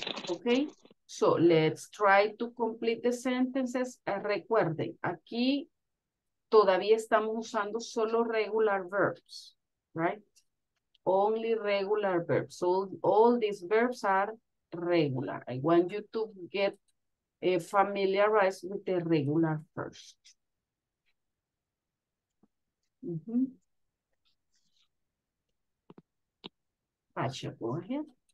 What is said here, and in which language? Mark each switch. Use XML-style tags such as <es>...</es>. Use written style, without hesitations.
<en>Okay, so let's try to complete the sentences.</en> <es>Recuerden, aquí todavía estamos usando solo</es> <en>regular verbs, right? Only regular verbs. So all these verbs are regular. I want you to get familiarized with the regular first. Pasha, go ahead.</en>